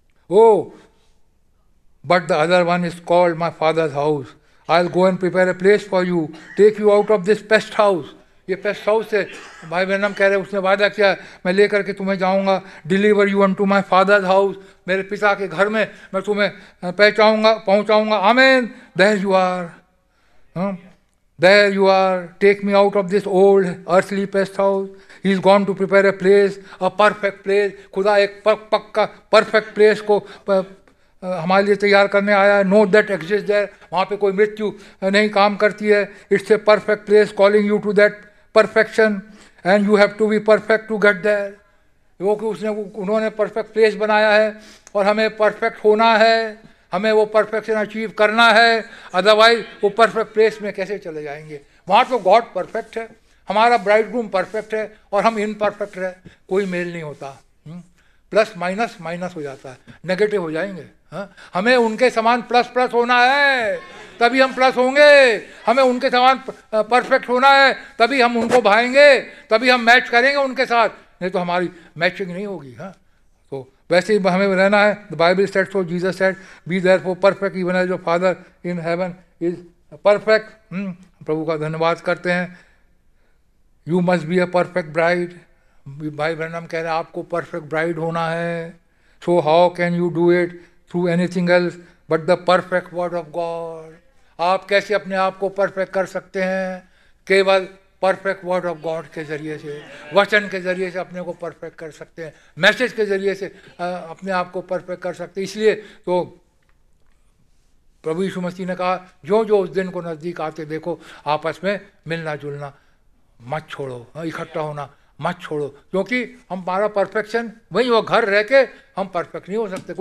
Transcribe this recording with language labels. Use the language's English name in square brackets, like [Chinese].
[English] Oh, but the other one is called my father's house. I'll go and prepare a place for you, take you out of this pest house. [Hindi] ये pest house से भाई बहनम कह रहे हैं, उसने वादा किया मैं लेकर के तुम्हें जाऊँगा, [English] deliver you unto my father's house, [Hindi] मेरे पिता के घर में मैं तुम्हें पहुँचाऊँगा. [English] Amen. There you are. There you are. Take me out of this old earthly pest house. He is gone to prepare a place, a perfect place. [Hindi] खुदा एक पक्का perfect place को हमारे लिए तैयार करने आया है. [English] No death exists there. [Hindi] वहाँ पे कोई मृत्यु नहीं काम करती है. [English] It's a perfect place calling you to that perfection, and you have to be perfect to get there. [Hindi] वो कि उसने उन्होंने perfect place बनाया है और हमें perfect होना है, हमें वो perfection achieve करना है. Otherwise वो perfect place में कैसे चले जाएंगे? वहाँ तो God perfect है, हमारा ब्राइडग्रूम परफेक्ट है और हम इनपरफेक्ट है, कोई मेल नहीं होता. प्लस माइनस माइनस हो जाता है, नेगेटिव हो जाएंगे. हमें उनके समान प्लस प्लस होना है तभी हम प्लस होंगे, हमें उनके समान परफेक्ट होना है तभी हम उनको भाएंगे, तभी हम मैच करेंगे उनके साथ, नहीं तो हमारी मैचिंग नहीं होगी. हाँ, तो वैसे ही हमें रहना है. [English] The Bible said so, Jesus said be therefore perfect even as your father in heaven is perfect. [Hindi] प्रभु का धन्यवाद करते हैं. [English] You must be a perfect bride. [Hindi] भाई ब्रैनम कह रहे हैं आपको perfect bride होना है. [English] So how can you do it through anything else but the perfect word of God? [Hindi] आप कैसे अपने आप को perfect कर सकते हैं? केवल perfect word of God के जरिए से, वचन के जरिए से अपने को perfect कर सकते हैं, message के जरिए से अपने आप को perfect कर सकते हैं. इसलिए तो प्रभु यीशु मसीह ने कहा जो जो उस दिन को नज़दीक आते देखो आपस में मिलना जुलना मत छोड़ो, इकट्ठा होना मत छोड़ो, क्योंकि हम हमारा परफेक्शन वही, वो घर रह के हम परफेक्ट नहीं हो सकते.